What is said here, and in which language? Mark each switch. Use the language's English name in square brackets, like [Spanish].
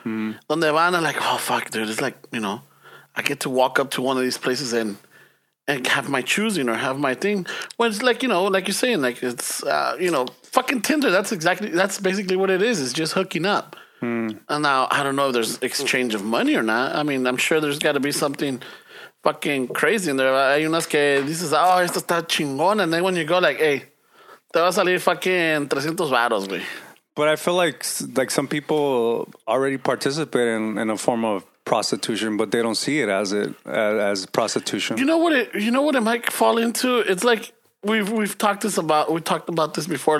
[Spanish] Donde van [English] and like, oh, fuck, dude. It's like, you know, I get to walk up to one of these places and have my choosing or have my thing. When it's like, you know, like you're saying, like it's, you know, fucking Tinder. That's basically what it is. It's just hooking up. Mm. And now I don't know if there's exchange of money or not. I mean, I'm sure there's got to be something fucking crazy in there. [Spanish] Hay unas que dices, oh, esto está chingón. [English] And then when you go, like, hey, [Spanish] te va a salir fucking 300 baros, güey. [English] But I feel like some people already participate in a form of prostitution, but they don't see it as prostitution. You know what it might fall into? It's like we've talked about this before.